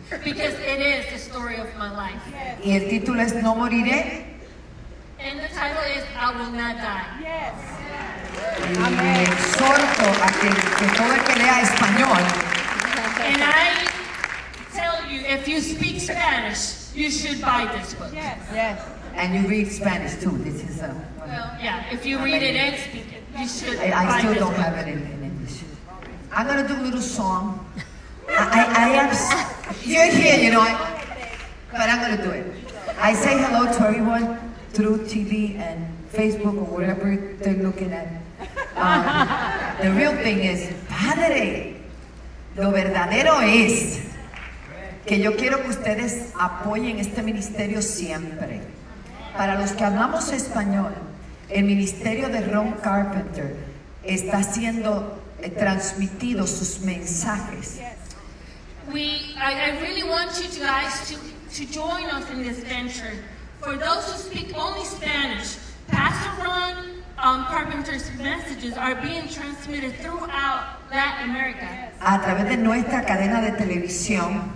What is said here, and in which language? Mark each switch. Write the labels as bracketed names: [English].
[English] Because it is the story of my life. [Spanish] Y el título es No Moriré. [English] And the title is I Will Not Die. Yes. [Spanish] Y me exhorto a que todo el que lea español. [English] And I tell you, if you speak Spanish, you should buy this book. Yes. Yes. And you read Spanish too. This is well, yeah. If you read it and speak it, you should buy this book. I still don't have it in English. I'm gonna do a little song. I am. You're here, you know. But I'm gonna do it. I say hello to everyone through TV and Facebook or whatever they're looking at. The real thing is, [Spanish] Padre, lo verdadero es que yo quiero que ustedes apoyen este ministerio siempre. Para los que hablamos español, el ministerio de Ron Carpenter está siendo transmitido sus mensajes. [English] I really want you guys to join us in this venture. For those who speak only Spanish, Pastor Ron Carpenter's messages are being transmitted throughout Latin America. [Spanish] A través de nuestra cadena de televisión.